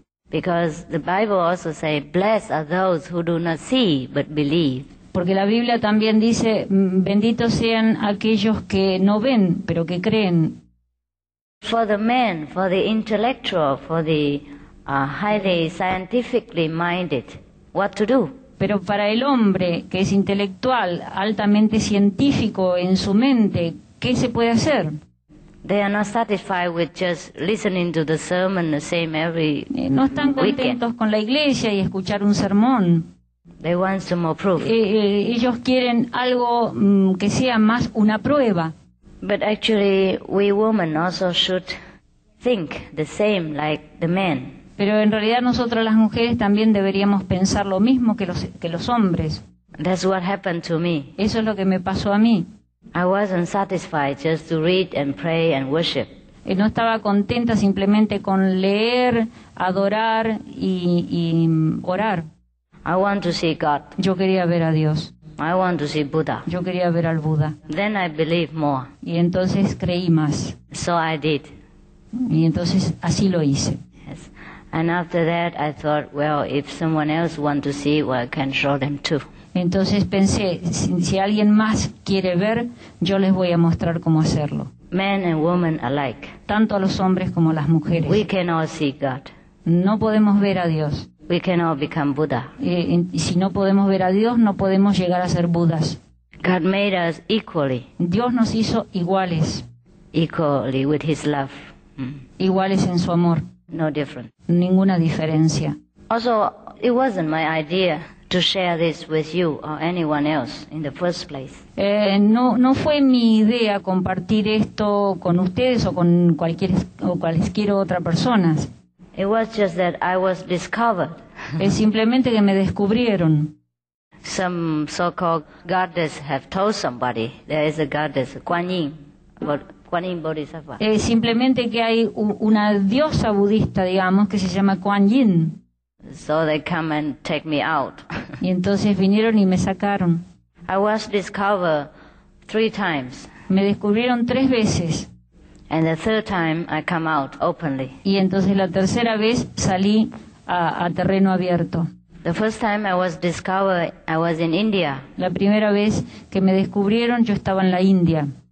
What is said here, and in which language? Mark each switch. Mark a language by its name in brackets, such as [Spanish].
[English] Because the Bible also say, "Blessed are those who do not see but believe." [Spanish] Porque la Biblia también dice, benditos sean aquellos que no ven, pero que creen. [English] For the man, for the intellectual, for the highly scientifically minded, what to do? [Spanish] Pero para el hombre que es intelectual, altamente científico en su mente, ¿qué se puede hacer? [English] They are not satisfied with just listening to the sermon the same every weekend. [Spanish] No están contentos con la iglesia y escuchar un sermón. [English] They want some more proof. [Spanish] Ellos quieren algo que sea más una prueba. [English] But actually, we women also should think the same like the men. [Spanish] Pero en realidad nosotras las mujeres también deberíamos pensar lo mismo que los hombres. [English] That's what happened to me. [Spanish] Eso es lo que me pasó a mí. [English] I wasn't satisfied just to read and pray and worship. [Spanish] No estaba contenta simplemente con leer, adorar y orar. [English] I want to see God. [Spanish] Yo quería ver a Dios. [English] I want to see Buddha. [Spanish] Yo quería ver al Buda. [English] Then I believe more. [Spanish] Y entonces creí más. [English] So I did. [Spanish] Y entonces así lo hice. [English] Yes. And after that I thought, well, if someone else wants to see, well, I can show them too. [Spanish] Entonces pensé, si alguien más quiere ver, yo les voy a mostrar cómo hacerlo. [English] Men and women alike. [Spanish] Tanto a los hombres como a las mujeres. [English] We can all see God. [Spanish] No podemos ver a Dios. [English] We can all become Buddha. [Spanish] Y si no podemos ver a Dios, no podemos llegar a ser Budas. [English] God made us equally. [Spanish] Dios nos hizo iguales. [English] Equally with His love. [Spanish] Iguales en su amor. [English] No different. [Spanish] Ninguna diferencia. [English] Also, it wasn't my idea to share this with you or anyone else in the first place. [Spanish] No fue mi idea compartir esto con ustedes o con cualquier o cualesquiera otra persona. [English] It was just that I was discovered. [Spanish] Es simplemente que me descubrieron. [English] Some so-called goddess have told somebody there is a goddess, Kuan Yin, but Kuan Yin Bodhisattva. [Spanish] Simplemente que hay una diosa budista, digamos, que se llama Kuan Yin. [English] So they come and take me out. [Spanish] Y entonces vinieron y me sacaron. [English] I was discovered 3 times. [Spanish] Me descubrieron 3 veces. [English] And the third time I come out openly. [Spanish] Y entonces la tercera vez salí a terreno abierto. [English] The first time I was discovered, I was in India. [Spanish] La primera vez que me descubrieron, yo estaba en la India.